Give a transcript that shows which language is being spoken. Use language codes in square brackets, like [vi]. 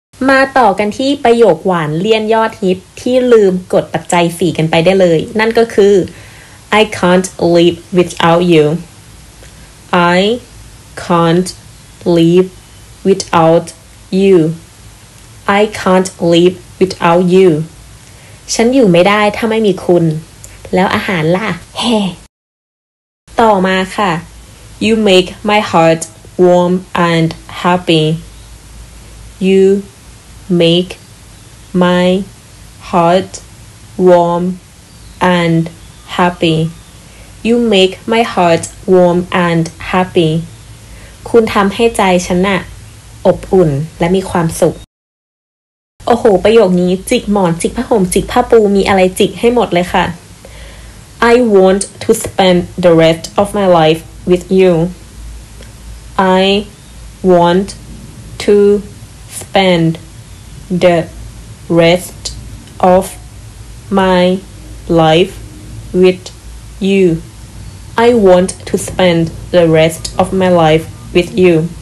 [th] มาต่อกันที่ประโยคหวานเลี่ยนยอดฮิตที่ลืมกดปัจจัย4กันไปได้เลยนั่นก็คือ [en] I can't live without youI can't live without you. I can't live without you. [th] ฉันอยู่ไม่ได้ถ้าไม่มีคุณแล้วอาหารล่ะแฮ ต่อมาค่ะ [en] You make my heart warm and happy. You make my heart warm and happyYou make my heart warm and happy. [th] คุณทำให้ใจฉันน่ะอบอุ่นและมีความสุข โอ้โหประโยคนี้จิกหมอนจิกผ้าห่มจิกผ้าปูมีอะไรจิกให้หมดเลยค่ะ [en] I want to spend the rest of my life with you. I want to spend the rest of my life with youI want to spend the rest of my life with you.